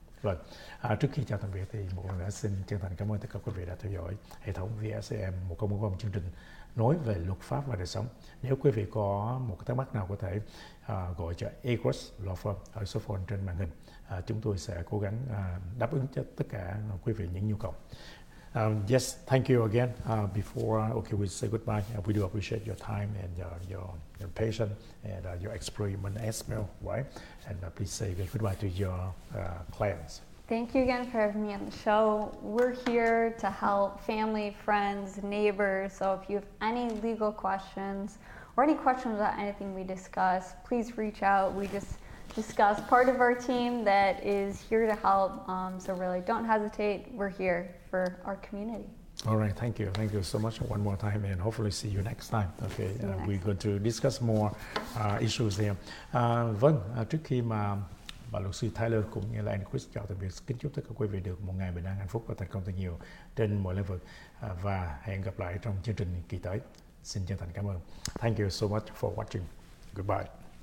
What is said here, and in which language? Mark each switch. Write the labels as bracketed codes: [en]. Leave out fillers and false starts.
[vi] Rồi, trước khi chào tạm biệt thì một lần nữa xin chân thành cảm ơn tất cả quý vị đã theo dõi hệ thống VSAM, một công bố chương trình nói về luật pháp và đời sống. Nếu quý vị có một thắc mắc nào có thể gọi cho Equus Law Firm ở số phone trên màn hình. Chúng tôi sẽ cố gắng đáp ứng cho tất cả quý vị những nhu cầu. [en] Yes, thank you again. Before we say goodbye, we do appreciate your time and your patience and your experiment as well, right? And please say goodbye to your clients. Thank you again for having me on the show. We're here to help family, friends, neighbors. So if you have any legal questions or any questions about anything we discuss, please reach out. We just discuss part of our team that is here to help. So really don't hesitate. We're here for our community. All right. Thank you. Thank you so much one more time and hopefully see you next time. Okay. We're going to discuss more issues here. [vi] Vâng, trước khi mà bà luật sư Taylor cũng như là anh Chris chào tạm biệt, kính chúc tất cả quý vị được một ngày bình an, hạnh phúc và thành công thật nhiều trên mọi lĩnh vực và hẹn gặp lại trong chương trình kỳ tới. Xin chân thành cảm ơn. [en] Thank you so much for watching. Goodbye.